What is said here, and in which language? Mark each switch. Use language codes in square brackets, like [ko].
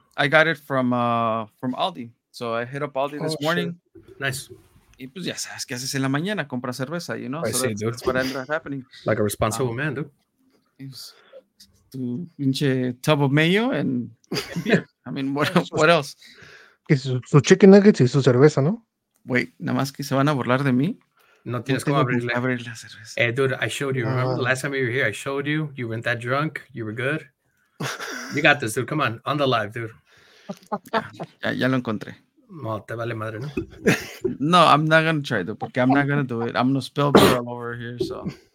[en] I got it from Aldi. So I hit up Aldi this morning. Nice. [es] Y pues ya sabes que haces en la mañana, compra cerveza, [en] you know? I so see, that's what ends up happening. Like a responsible man, dude. [es] Tu pinche [en] tub of mayo and beer. I mean, what else? [es] Su chicken nuggets y su cerveza, ¿no? Wait, nada más que se van a burlar de mí. No tienes cómo abrirle. Abrir la cerveza. [en] Hey, dude, I showed you. Remember the last time you were here, I showed you. You weren't that drunk. You were good. You got this, dude. Come on the live, dude. [es] Ya lo encontré. No, te vale madre, ¿no? [en] No, I'm not going to try, dude, porque I'm not going to do it. I'm going to spill beer all over here, so.